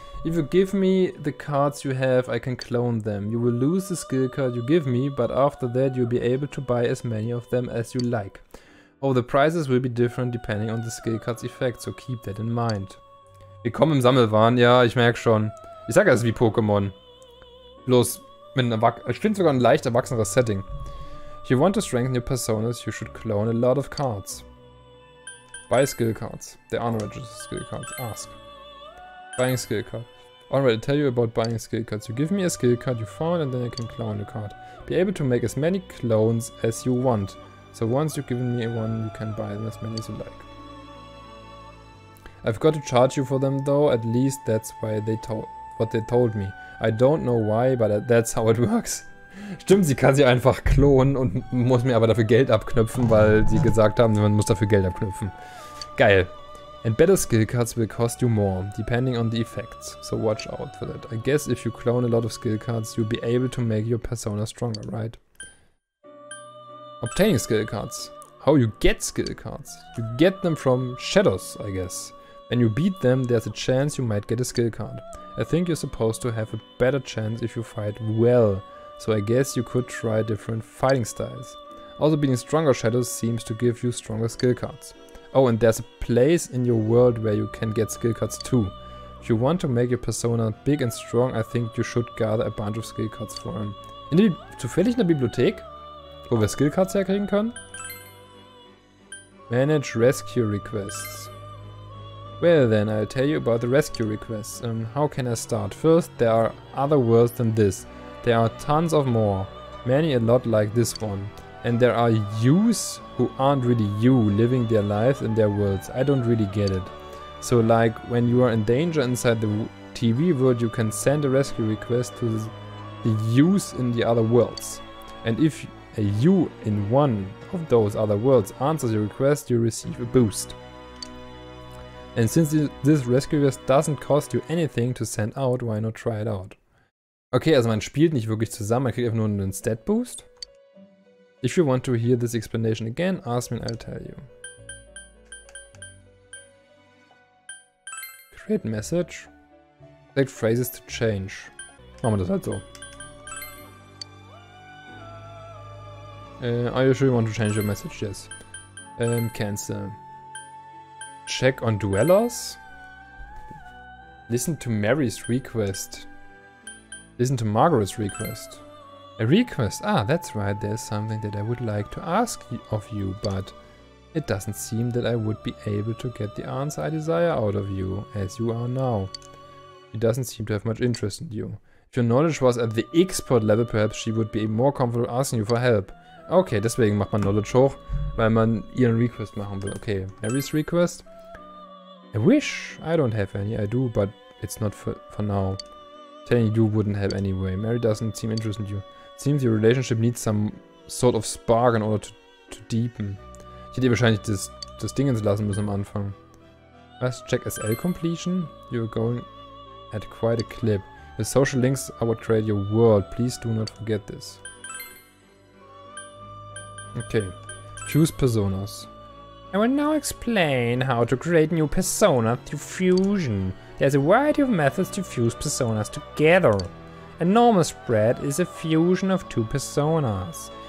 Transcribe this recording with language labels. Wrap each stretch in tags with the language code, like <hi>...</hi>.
<en>If you give me the cards you have, I can clone them. You will lose the skill card you give me, but after that you'll be able to buy as many of them as you like. Oh, the prices will be different depending on the skill card's effect, so keep that in mind.</en> <de>Willkommen im Sammelwahn, ja, ich merke schon. Ich sage, es ist wie Pokémon. Bloß mit einem ich finde sogar ein leicht erwachseneres Setting.</de> <en>If you want to strengthen your personas, you should clone a lot of cards. Buy skill cards. They are unregistered skill cards. Ask. Buying skill card. Alright, I'll tell you about buying skill cards. You give me a skill card you found and then I can clone the card. Be able to make as many clones as you want. So once you've given me one, you can buy them as many as you like. I've got to charge you for them though, at least that's why they what they told me. I don't know why, but that's how it works.</en> <de>Stimmt, sie kann sie einfach klonen und muss mir aber dafür Geld abknüpfen, weil sie gesagt haben, man muss dafür Geld abknüpfen. Geil.</de> <en>And better skill cards will cost you more, depending on the effects. So watch out for that. I guess if you clone a lot of skill cards, you'll be able to make your persona stronger, right? Obtaining skill cards. How you get skill cards? You get them from shadows, I guess. When you beat them, there's a chance you might get a skill card. I think you're supposed to have a better chance if you fight well. So I guess you could try different fighting styles. Also beating stronger shadows seems to give you stronger skill cards. Oh, and there's a place in your world where you can get skill cards too. If you want to make your persona big and strong, I think you should gather a bunch of skill cards for him.</en> <de>Zufällig in der Bibliothek, wo wir skill cards herkriegen können?</de> <en>Manage rescue requests. Well then, I'll tell you about the rescue requests. How can I start? First, there are other worlds than this. There are tons of more, many a lot like this one. And there are yous who aren't really you, living their lives in their worlds. I don't really get it. So like, when you are in danger inside the TV world, you can send a rescue request to the yous in the other worlds. And if a you in one of those other worlds answers your request, you receive a boost. And since this rescue request doesn't cost you anything to send out, why not try it out?</en> <de>Okay, also man spielt nicht wirklich zusammen, man kriegt einfach nur einen Stat-Boost.</de> <en>If you want to hear this explanation again, ask me and I'll tell you. Create message. Select phrases to change.</en> <de>Machen wir das halt so.</de> <en>Are you sure you want to change your message? Yes. Cancel. Check on dwellers. Listen to Mary's request. Listen to Margaret's request. A request? Ah, that's right, there's something that I would like to ask of you, but it doesn't seem that I would be able to get the answer I desire out of you, as you are now. She doesn't seem to have much interest in you. If your knowledge was at the expert level, perhaps she would be more comfortable asking you for help.</en> <de>Okay, deswegen macht man Knowledge hoch, weil man ihren Request machen will.</de> <en>Okay, Mary's request? A wish? I don't have any, I do, but it's not for now. Telling you wouldn't help anyway. Mary doesn't seem interested in you. Seems your relationship needs some sort of spark in order to deepen.</en> <de>Ich hätte wahrscheinlich das Dingens lassen müssen am Anfang.</de> <en>Let's check SL completion. You're going at quite a clip. The social links are what create your world. Please do not forget this. Okay. Choose personas. I will now explain how to create new persona through fusion. There's a variety of methods to fuse personas together. A normal spread is a fusion of two personas.</en>